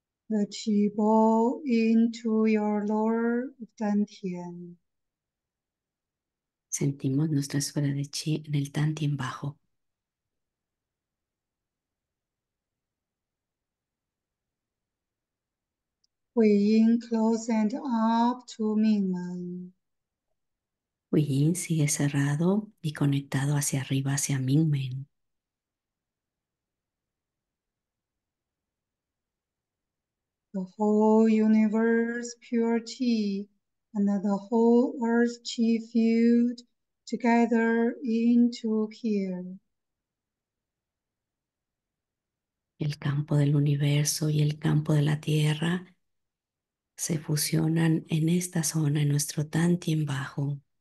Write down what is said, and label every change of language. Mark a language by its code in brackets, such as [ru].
[en] The qi bowl into your lower dantian. [es] Sentimos nuestra esfera de chi en el dantian bajo. [en] Huiyin close and up to mingmen. [es] Huiyin sigue cerrado y conectado hacia arriba, hacia mingmen. [en] The whole universe pure qi and the whole earth qi fused together into here. [es] El campo del universo y el campo de la tierra se fusionan en esta zona, en nuestro Dantian bajo.